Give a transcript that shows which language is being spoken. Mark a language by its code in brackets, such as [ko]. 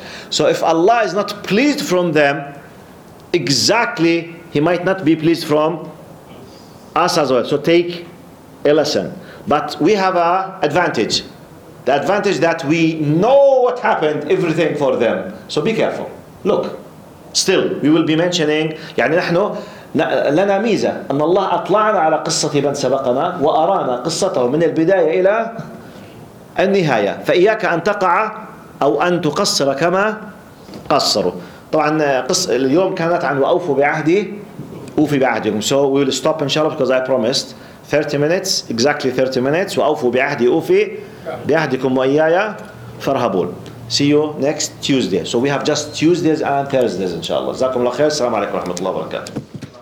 [en] So if Allah is not pleased from them, exactly, He might not be pleased from us as well. So take a lesson. But we have an advantage. The advantage that we know what happened, everything for them. So be careful. Look, still, we will be mentioning, [ar] يعني نحن لنا ميزة أن الله أطلعنا على قصة من سبقنا وأرانا قصته من البداية إلى النهاية. فإياك أن تقع أو أن تقصر كما قصروا. طبعا قصة اليوم كانت عن وأوفوا بعهدي أوفي بعهدكم. [en] So we will stop inshallah because I promised 30 minutes, exactly 30 minutes. [ar] وأوفوا بعهدي أوفي بعهدكم وإيايا فارهبون. [en] See you next Tuesday. So we have just Tuesdays and Thursdays inshallah. [ar] جزاكم الله خير. السلام عليكم ورحمة الله وبركاته.